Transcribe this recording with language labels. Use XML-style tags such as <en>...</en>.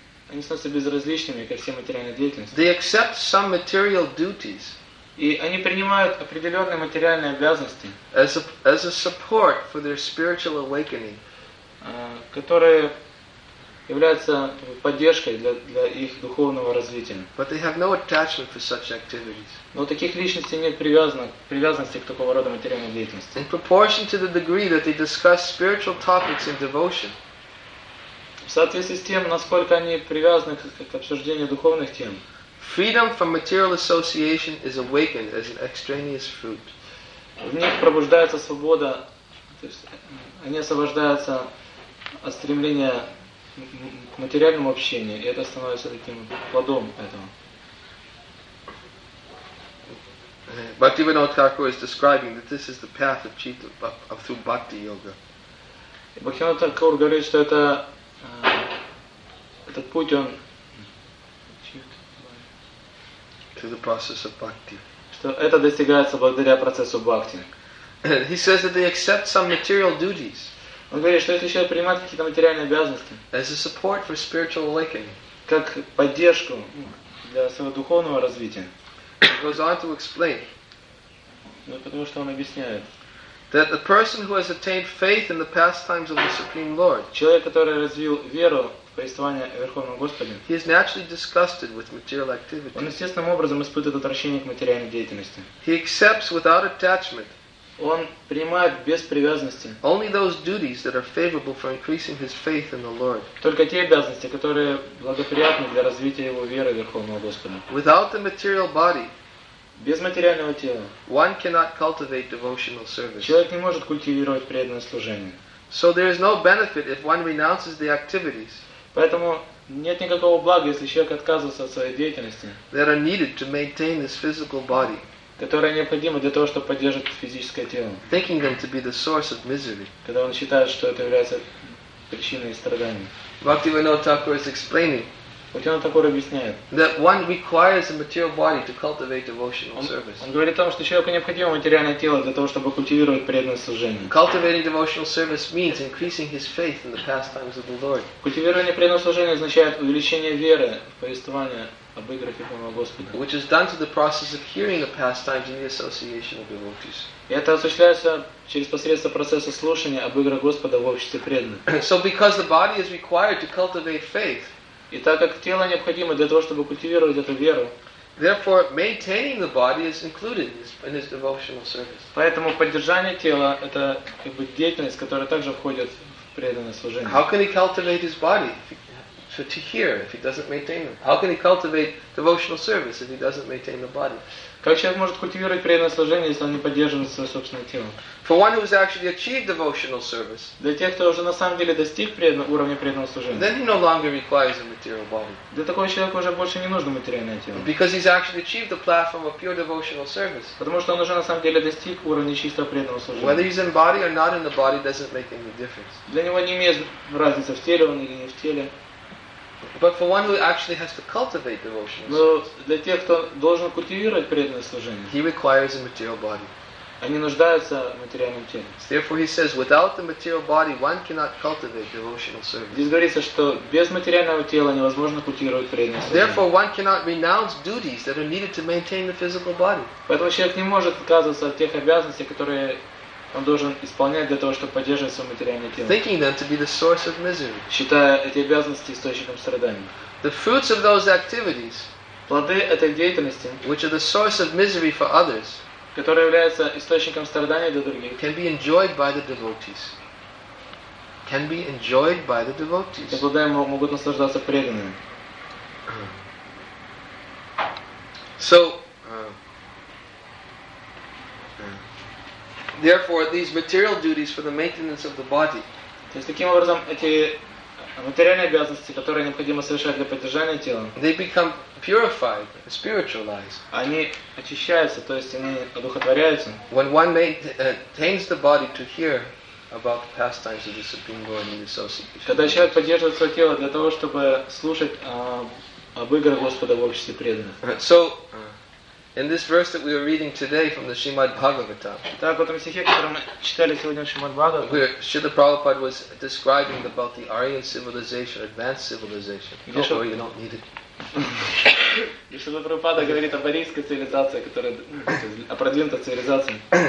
<ru>Они становятся безразличными ко всей материальной деятельности.</ru> <en>They accept some material duties.</en> <ru>И они принимают определенные материальные обязанности.</ru> <en>As a support for their spiritual awakening.</en> <ru>Которые являются поддержкой для их духовного развития.</ru> <en>But they have no attachment for such activities.</en> <ru>Но таких личностей нет привязанности к такого рода материальной деятельности.</ru> <en>In proportion to the degree that they discuss spiritual topics in devotion.</en> <ru>В соответствии с тем, насколько они привязаны к обсуждению духовных тем.</ru> <en>Freedom from material association is awakened as an extraneous fruit.</en> <ru>В них пробуждается свобода, то есть они освобождаются от стремления к материальному общению, и это становится таким плодом этого.</ru> <en>Bhaktivinoda Thakur is describing that this is the path achieved through bhakti yoga.</en> <ru>Bhaktivinoda Thakur говорит, что это этот путь он</ru> <en>to the process of bhakti.</en> <ru>Что это достигается благодаря процессу бхакти.</ru> <en>He says that they accept some material duties.</en> <ru>Он говорит, что если человек принимает какие-то материальные обязанности,</ru> <en>as a support for spiritual awakening,</en> <ru>как поддержку для своего духовного развития.</ru> <en>He goes on to explain.</en> <ru>Ну, потому что он объясняет.</ru> <en>That a person who has attained faith in the pastimes of the Supreme Lord,</en> <ru>человек, который развил веру в повествование о Верховном Господе,</ru> <en>he is naturally disgusted with material activity.</en> <ru>Он естественным образом испытывает отвращение к материальной деятельности.</ru> <en>He accepts without attachment.</en> <ru>Он принимает без привязанности.</ru> <en>Only those duties that are favorable for increasing his faith in the Lord.</en> <ru>Только те обязанности, которые благоприятны для развития его веры в Верховного Господа.</ru> <en>Without the material body,</en> <ru>Без материального тела.</ru> <en>One cannot cultivate devotional service.</en> <ru>Человек не может культивировать преданное служение.</ru> <en>So there is no benefit if one renounces the activities.</en> <ru>Поэтому нет никакого блага, если человек отказывается от своей деятельности.</ru> <en>That are needed to maintain his physical body.</en> <ru>Которые необходимы для того, чтобы поддерживать физическое тело.</ru> <en>Thinking them to be the source of misery.</en> <ru>Когда он считает, что это является причиной страданий.</ru> <en>Bhaktivinoda Thakur is explaining. That one requires a material body to cultivate devotional service.</en> <ru>Он говорит о том, что человеку необходимо материальное тело для того, чтобы культивировать преданное служение.</ru> <en>Cultivating devotional service means increasing his faith in the pastimes of the Lord.</en> <ru>Культивирование преданного служения означает увеличение веры в повествование об играх Верховного Господа.</ru> <en>Which is done through the process of hearing the pastimes in the association of devotees.</en> <ru>И это осуществляется через посредство процесса слушания об играх Господа в обществе преданных.</ru> <en>So because the body is required to cultivate faith.</en> <ru>И так как тело необходимо для того, чтобы культивировать эту веру,</ru> <en>therefore, maintaining the body is included in his devotional service.</en> <ru>Поэтому поддержание тела – это как бы деятельность, которая также входит в преданное служение.</ru> <en>How can he cultivate his body to hear if he doesn't maintain it? How can he cultivate devotional service if he doesn't maintain the body?</en> <ru>Как человек может культивировать преданное служение, если он не поддерживает свое собственное тело?</ru> <en>For one who has actually achieved devotional service,</en> <ru>для тех, кто уже на самом деле достиг уровня преданного служения,</ru> <en>then he no longer requires a material body.</en> <ru>Для такого человека уже больше не нужно материальное тело.</ru> <en>Because he's actually achieved the platform of pure devotional service.</en> <ru>Потому что он уже на самом деле достиг уровня чистого преданного служения.</ru> <en>Whether he's in body or not in the body doesn't make any difference.</en> <ru>Для него не имеет разницы, в теле он или не в теле.</ru> <en>But for one who actually has to cultivate devotion,</en> <ru>но для тех, кто должен культивировать преданное служение,</ru> <en>he requires a material body.</en> <ru>Они нуждаются в материальном теле.</ru> <en>Therefore, he says, without the material body, one cannot cultivate devotional service.</en> <ru>Здесь говорится, что без материального тела невозможно культивировать преданное служение.</ru> <en>Therefore, one cannot renounce duties that are needed to maintain the physical body.</en> <ru>Поэтому человек не может отказываться от тех обязанностей, которые он должен исполнять для того, чтобы поддерживать свое материальное тело.</ru> <en>Thinking them to be the source of misery.</en> <ru>Считая эти обязанности источником страданий.</ru> <en>The fruits of those activities,</en> <ru>плоды этой деятельности,</ru> <en>which are the source of misery for others,</en> <ru>которые являются источником страданий для других,</ru> <en>can be enjoyed by the devotees. Can be enjoyed by the devotees.</en> <ru>Эти плоды могут наслаждаться преданными.</ru> <en>So, therefore, these material duties for the maintenance of the body.</en> <ru>То есть таким образом эти материальные обязанности, которые необходимо совершать для поддержания тела.</ru> <en>They become purified, spiritualized.</en> <ru>Они очищаются, то есть они одухотворяются.</ru> <en>When one maintains the body to hear about the pastimes of the Supreme Lord and the association.</en> <ru>Когда человек поддерживает свое тело для того, чтобы слушать об играх Господа в обществе преданных.</ru> <en>So. In this verse that we are reading today from the Srimad Bhagavatam,</en> <ru>так, в этом стихе, который мы читали сегодня в Шримад Бхагаватам,</ru> <en>where Srila Prabhupada was describing about the Aryan civilization, advanced civilization. Don't worry, you don't need it.</en> <ru>Srila Prabhupada говорит об арийской цивилизации, которая продвинута цивилизация.</ru>